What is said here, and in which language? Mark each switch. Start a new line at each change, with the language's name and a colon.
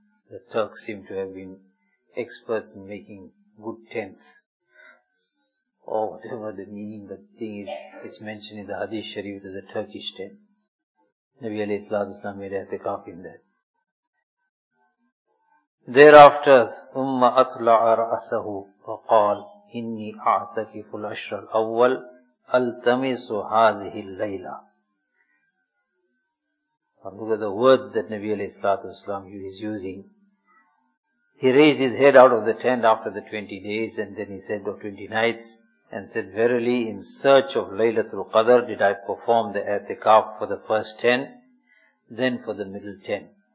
English: The Turks seem to have been experts in making good tents. Or whatever the meaning of the thing is, it's mentioned in the Hadith Sharif, it is a Turkish tent. Nabi alayhi salatu wasalam made a i'tikaf in that. Thereafter,
Arabic: ثم أطلع رأسه فقال إني أعتكف الأشهر الأول ألتمس هذه الليلة.
English: Look at the words that Nabi alayhi salatu wasalam is using. He raised his head out of the tent after the 20 days and then he said, or 20 nights, and said, verily, in search of Laylatul Qadr did I perform the i'tikaf for the first 10, then for the middle 10.